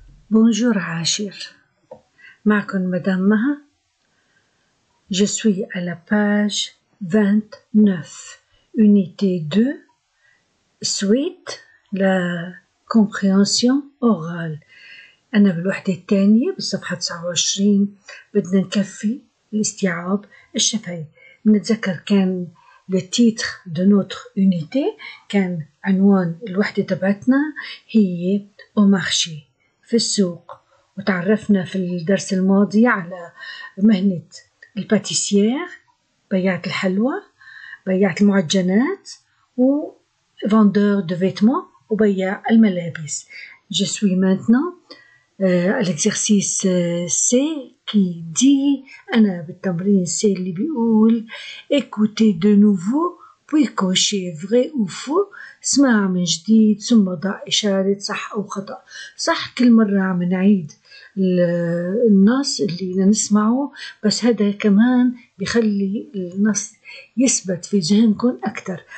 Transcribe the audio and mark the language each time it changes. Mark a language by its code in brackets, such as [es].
[fr] Bonjour [ar] Achir, معكم مدام مها. [fr] Je suis à la page 29, unité 2, suite, la compréhension orale. [ar] أنا بالوحدة الثانية بالصفحة 29 بدنا نكفي الاستيعاب الشفهي. نتذكر كان [fr] le titre de notre unité, [ar] كان عنوان الوحدة تبعتنا هي [fr] au marché. [ar] في السوق وتعرفنا في الدرس الماضي على مهنة الباتيسيير بياعة الحلوى بياعة المعجنات و [fr] vendeur de vêtements [ar] وبياع الملابس. [fr] Je suis maintenant à l'exercice C qui dit [ar] أنا بالتمرين C اللي بيقول [fr] écoutez de nouveau puis cochez vrai ou faux. [ar] اسمع من جديد ثم ضع إشارة صح أو خطأ. صح كل مرة عم نعيد النص اللي نسمعه، بس هذا كمان بيخلي النص يثبت في ذهنكم أكثر.